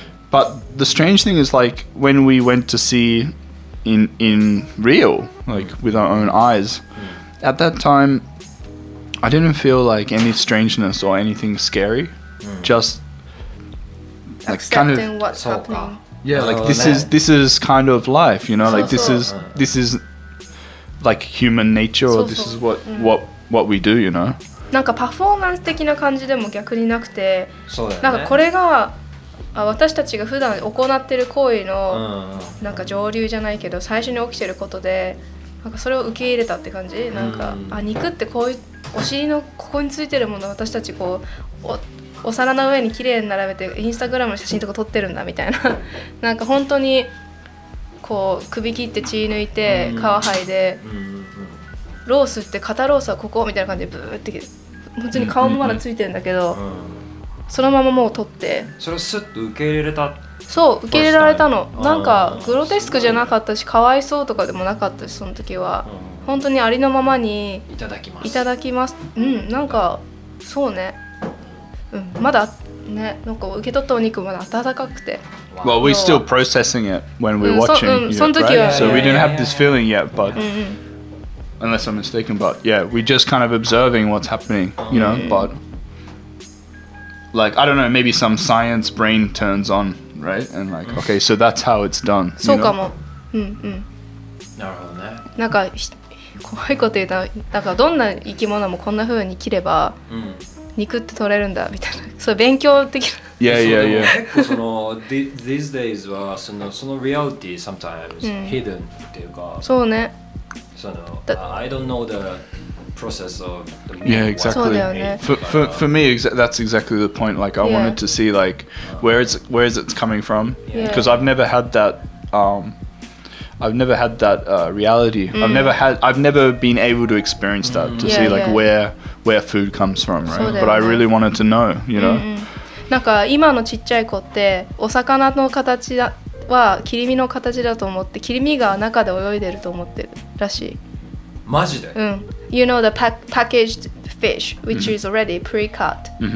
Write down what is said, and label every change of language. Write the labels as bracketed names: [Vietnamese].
[English] But the strange thing is like when we went to see... In real, like with our own eyes, at that time, I didn't feel like any strangeness or anything scary. Just like kind of what's happening. Yeah, like this is kind of life, you know. Like this is like human nature, or this is what we do, you know. [Japanese] なんかパフォーマンス的な感じでも逆になくて、なんかこれが。私たちが普段行っている行為のなんか上流じゃないけど最初に起きていることでなんかそれを受け入れたって感じ、なんかあ肉ってこういうお尻のここについてるものを私たちこうお皿の上に綺麗に並べてインスタグラムの写真とか撮ってるんだみたいな。なんか本当にこう首切って血抜いて皮剥いで、ロースって肩ロースはここみたいな感じでブーって本当に顔もまだついてるんだけど、そのままもう撮って、それをスッと受け入れれた。そう、受け入れられたの。なんかグロテスクじゃなかったし、かわいそうとかでもなかったし、その時は本当にありのままにいただきます、いただきます。うん、なんかそうね、うん、まだね、なんか受け取ったお肉まだ温かくて。 [English] Well, we're still processing it when we're watching. So we didn't have this feeling yet, but unless I'm mistaken, but yeah, we're just kind of observing what's happening, you know. But like, I don't know, maybe some science brain turns on, right? And like, okay, so that's how it's done. [Japanese] そうかも。うんうん。なるほどね。なんか怖いこと言った。なんかどんな生き物もこんな風に切れば肉って取れるんだみたいな。そう、勉強的な。 [English] These days [Japanese] はそのリアリティ [English] sometimes hidden [Japanese] っていうか。そうね。その [English] I don't know the process of the meat. Yeah, exactly. [Japanese] そうだよね。 [English] For me, that's exactly the point. Like I wanted to see like where it's coming from, because I've never had that. Reality. I've never been able to experience that, to see like where food comes from, right? But I really wanted to know, you know? [Japanese] なんか今のちっちゃい子ってお魚の形は切り身の形だと思って、切り身が中で泳いでると思ってるらしい。マジで？うん。 [English] You know the packaged fish, which is already pre-cut.